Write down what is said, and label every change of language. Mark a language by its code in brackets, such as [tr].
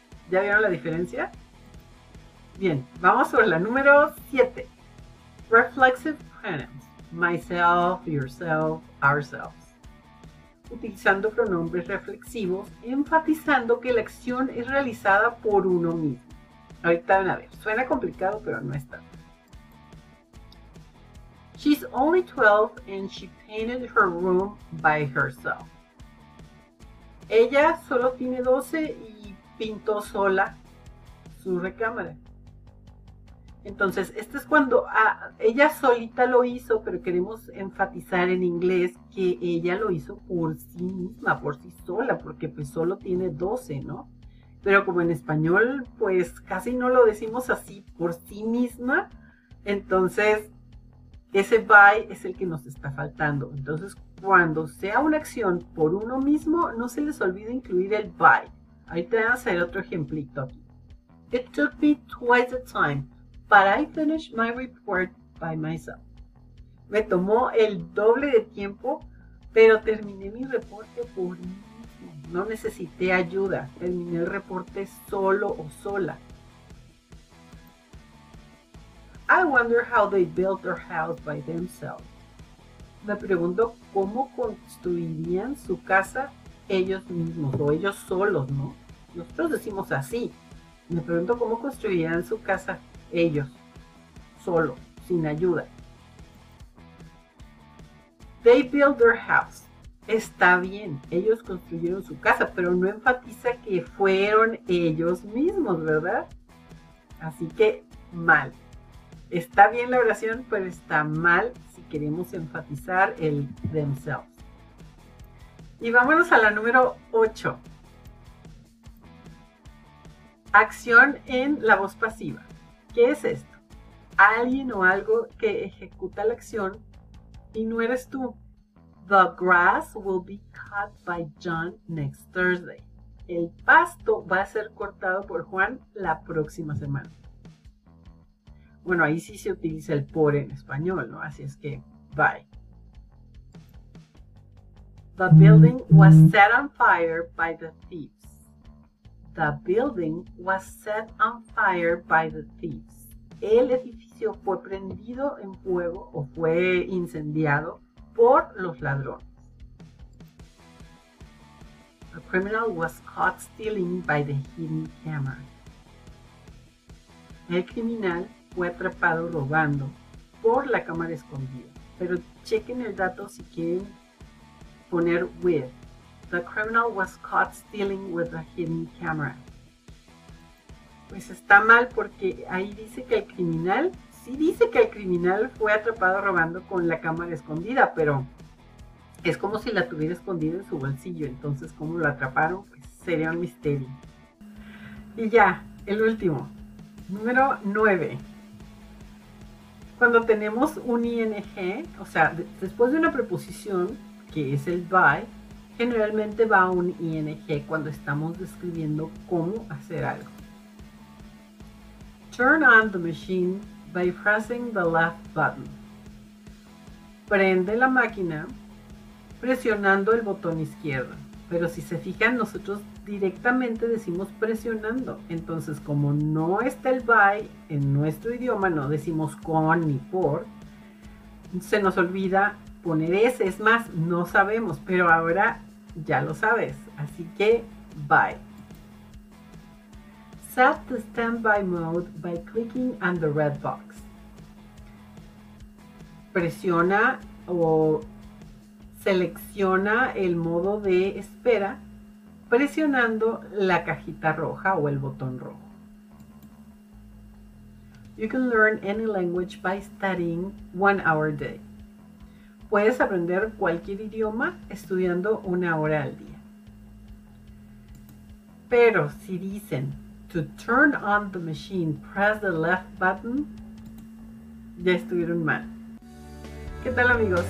[es] ¿Ya vieron la diferencia? Bien, vamos sobre la número 7. [en] Reflexive pronouns. Myself, yourself, ourselves. [es] Utilizando pronombres reflexivos, enfatizando que la acción es realizada por uno mismo. Ahorita van a ver. Suena complicado, pero no está. [en] She's only 12 and she painted her room by herself. [es] Ella solo tiene 12 y pintó sola su recámara. Entonces, este es cuando ella solita lo hizo, pero queremos enfatizar en inglés que ella lo hizo por sí misma, por sí sola, porque pues solo tiene 12, ¿no? Pero como en español, pues casi no lo decimos así, por sí misma. Entonces, ese by es el que nos está faltando. Entonces, cuando sea una acción por uno mismo, no se les olvide incluir el by. Ahí te voy a hacer otro ejemplito. [en] It took me twice the time, but I finished my report by myself. [es] Me tomó el doble de tiempo, pero terminé mi reporte por mí. No necesité ayuda. Terminé el reporte solo o sola. [en] I wonder how they built their house by themselves. [es] Me pregunto cómo construirían su casa ellos mismos o ellos solos, ¿no? Nosotros decimos así. Me pregunto cómo construirían su casa ellos solo, sin ayuda. [en] They built their house. [es] Está bien, ellos construyeron su casa, pero no enfatiza que fueron ellos mismos, ¿verdad? Así que mal. Está bien la oración, pero está mal si queremos enfatizar el themselves. Y vámonos a la número 8. Acción en la voz pasiva. ¿Qué es esto? Alguien o algo que ejecuta la acción y no eres tú. [en] The grass will be cut by John next Thursday. [es] El pasto va a ser cortado por Juan la próxima semana. Bueno, ahí sí se utiliza el por en español, ¿no? Así es que bye. [en] The building was set on fire by the thieves. The building was set on fire by the thieves. [es] El edificio fue prendido en fuego o fue incendiado por los ladrones. [en] A criminal was caught stealing by the hidden camera. [es] El criminal fue atrapado robando por la cámara escondida. Pero chequen el dato si quieren poner with. [en] The criminal was caught stealing with a hidden camera. [es] Pues está mal porque ahí dice que el criminal, sí dice que el criminal fue atrapado robando con la cámara escondida, pero es como si la tuviera escondida en su bolsillo. Entonces, ¿cómo lo atraparon? Pues sería un misterio. Y ya, el último, número 9. Cuando tenemos un ing, o sea, después de una preposición, que es el by, generalmente va un ing cuando estamos describiendo cómo hacer algo. [en] Turn on the machine by pressing the left button. [es] Prende la máquina presionando el botón izquierdo. Pero si se fijan, nosotros directamente decimos presionando. Entonces, como no está el by en nuestro idioma, no decimos con ni por, se nos olvida poner ese. Es más, no sabemos, pero ahora ya lo sabes. Así que bye. [en] Set the standby mode by clicking on the red box. [es] Presiona o selecciona el modo de espera presionando la cajita roja o el botón rojo. [en] You can learn any language by studying 1 hour a day. [es] Puedes aprender cualquier idioma estudiando 1 hora al día. Pero si dicen [en] to turn on the machine, press the left button. [es] Ya estuvieron mal. ¿Qué tal, amigos?